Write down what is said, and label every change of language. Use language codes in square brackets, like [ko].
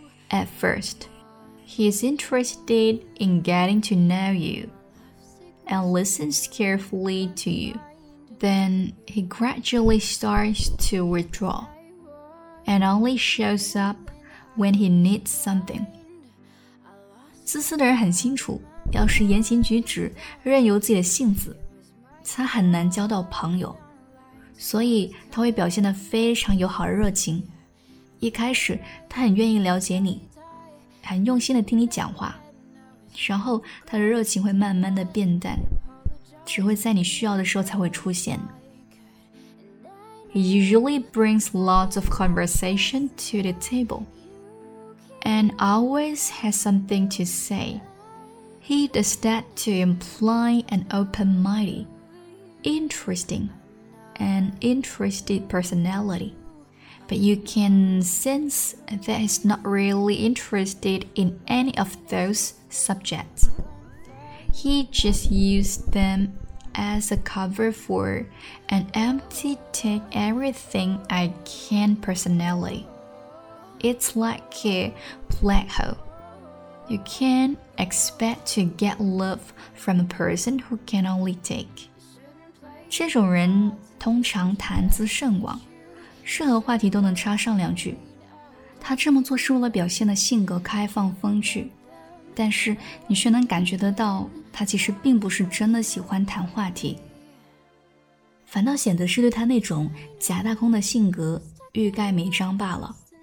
[en] At first, he is interested in getting to know youand listens carefully to you. Then he gradually starts to withdraw and only shows up when he needs something. [zh] 自私的人很清楚，要是言行举止任由自己的性子，他很难交到朋友，所以他会表现得非常友好热情。一开始他很愿意了解你，很用心地听你讲话，然后他的热情会慢慢地变淡，只会在你需要的时候才会出现。 [en] He usually brings lots of conversation to the table and always has something to say. He does that to imply an open-minded, interesting, and interested personality. But you can sense that he's not really interested in any of thoseSubjects. He just used them as a cover for an empty take everything I can personality. It's like a black hole. You can't expect to get love from a person who can only take. [zh] 这种人通常谈资甚广，任何话题都能插上两句。他这么做是为了表现的性格开放风趣，但是你却能感觉得到他其实并不是真的喜欢谈话题，反倒显得是对他那种假大空的性格欲盖弥彰罢了。